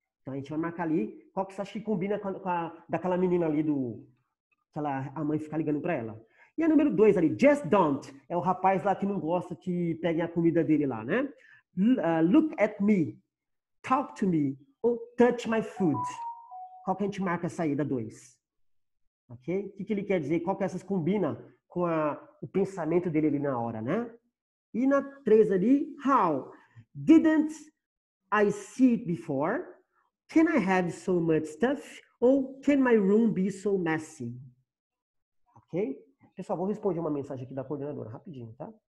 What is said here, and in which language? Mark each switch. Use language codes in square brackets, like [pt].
[pt] Então a gente vai marcar ali. Qual que você acha que combina com a daquela menina ali do... Que ela, a mãe fica ligando pra ela. E a número 2 ali, [en] just don't, [pt] é o rapaz lá que não gosta que peguem a comida dele lá, né? [en] Look at me, talk to me, ou touch my food. [pt] Qual que a gente marca essa aí da 2? Ok? O que, que ele quer dizer? Qual que essas combina com o pensamento dele ali na hora, né? E na 3 ali, [en] how? Didn't I see it before? Can I have so much stuff? Ou can my room be so messy? [pt] Ok? Pessoal, vou responder uma mensagem aqui da coordenadora, rapidinho, tá?